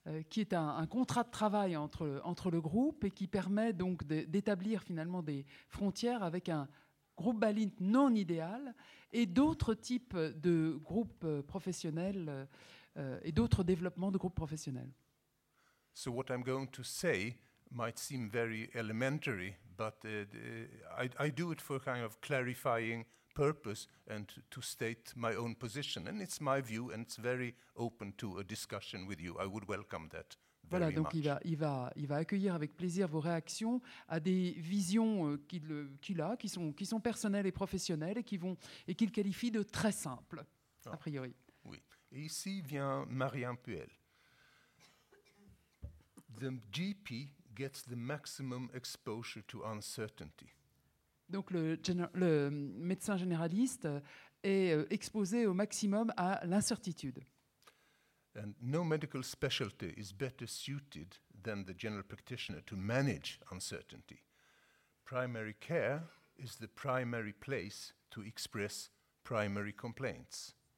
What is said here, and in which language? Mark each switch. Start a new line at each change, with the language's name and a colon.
French: Qui est un contrat de travail entre le groupe et qui permet donc d'établir finalement des frontières avec un groupe Bâle-Lint non idéal et d'autres types de groupes professionnels et d'autres développements de groupes professionnels.
English: So what I'm going to say might seem very elementary, but I do it for kind of clarifying purpose and to state my own position, and it's my view, and it's very open to a discussion with you. I would welcome that very
French: voilà, donc
English: much.
French: Il va accueillir avec plaisir vos réactions à des visions qu'il a, qui sont personnelles et professionnelles et qu'il qualifie de très simples, oh, a priori. Oui. Et ici vient Marianne Puel.
English: The GP gets the maximum exposure to uncertainty.
French: Donc le médecin généraliste est exposé au maximum à l'incertitude.
English: And no medical specialty is better suited than the general practitioner to manage uncertainty. Primary care is the primary place to express primary complaints.